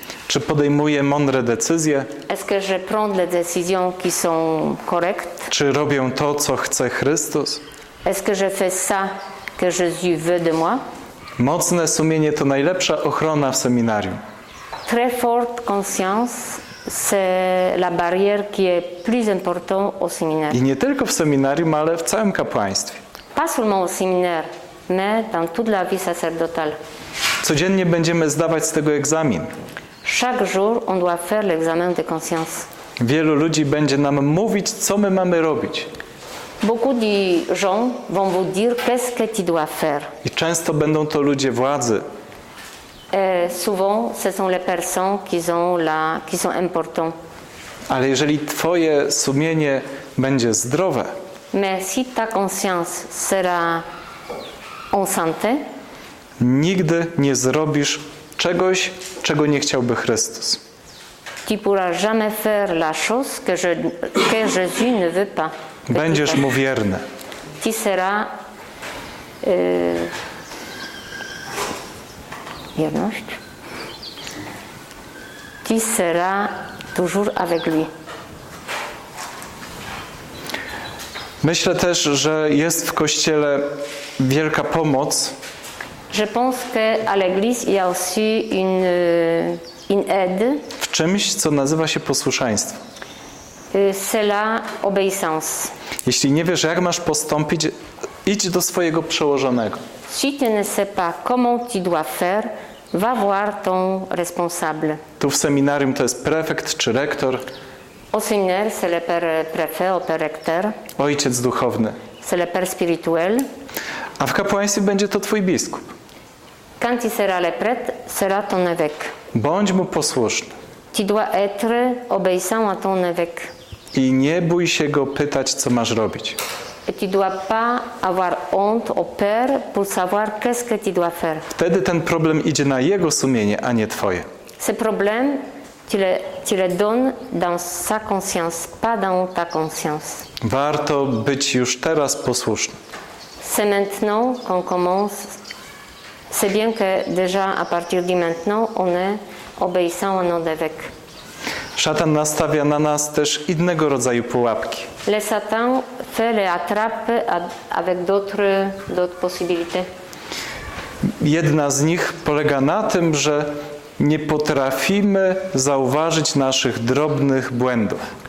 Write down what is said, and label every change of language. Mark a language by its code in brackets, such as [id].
[pl] Czy podejmuję mądre decyzje? [fr] Est-ce que je prends les décisions qui sont correctes? [pl] Czy robię to, co chce Chrystus? [fr] Est-ce que je fais ça que Jésus veut de moi? [pl] Mocne sumienie to najlepsza ochrona w seminarium. [fr] Très forte conscience, c'est la barrière qui est plus importante au séminaire. [pl] I nie tylko w seminarium, ale w całym kapłaństwie. [fr] Pas seulement au séminaire, mais dans toute la vie sacerdotale. [pl] Codziennie będziemy zdawać z tego egzamin. [fr] Chaque jour, on doit faire l'examen de conscience. [pl] Wielu ludzi będzie nam mówić, co my mamy robić. [fr] Beaucoup de gens vont vous dire qu'est-ce que tu dois faire. [pl] I często będą to ludzie władzy. [fr] Souvent, ce sont les personnes qui sont importantes. [pl] Ale jeżeli twoje sumienie będzie zdrowe, [fr] mais si ta conscience sera en santé, [pl] nigdy nie zrobisz czegoś, czego nie chciałby Chrystus. [fr] Tu pourras jamais faire la chose que, je, que Jésus ne veut pas. [pl] Będziesz mu wierny. [fr] Tu seras [pl] wierność. [fr] Tu seras toujours avec lui. [pl] Myślę też, że jest w Kościele wielka pomoc. [fr] Je pense que à l'église il y a aussi une aide. [pl] W czymś, co nazywa się posłuszeństwo. [fr] C'est la obéissance. [pl] Jeśli nie wiesz, jak masz postąpić, idź do swojego przełożonego. [fr] Si tu ne sais pas comment tu dois faire, va voir ton responsable. [pl] Tu w seminarium to jest prefekt czy rektor. [fr] Au séminaire, c'est le père préfet, le père recteur. [pl] Ojciec duchowny. [fr] C'est le père spirituel. [pl] A w kapłaństwie będzie to twój biskup. [fr] Quand tu seras le prêtre, sera ton évêque. [pl] Bądź mu posłuszny. [fr] Tu dois être obéissant à ton évêque. [pl] I nie bój się go pytać, co masz robić. [fr] Et tu dois pas avoir honte au père pour savoir qu'est-ce que tu dois faire. [pl] Wtedy ten problem idzie na jego sumienie, a nie twoje. [fr] Ce problème, tu le donnes dans sa conscience, pas dans ta conscience. [pl] Warto być już teraz posłuszny. [fr] C'est maintenant qu'on commence. C'est bien que déjà à partir de maintenant on est obéissant à nos évêques. [pl] Szatan nastawia na nas też innego rodzaju pułapki. [fr] Le Satan fait les attrapes avec d'autres possibilités. [pl] Jedna z nich polega na tym, że nie potrafimy zauważyć naszych drobnych błędów.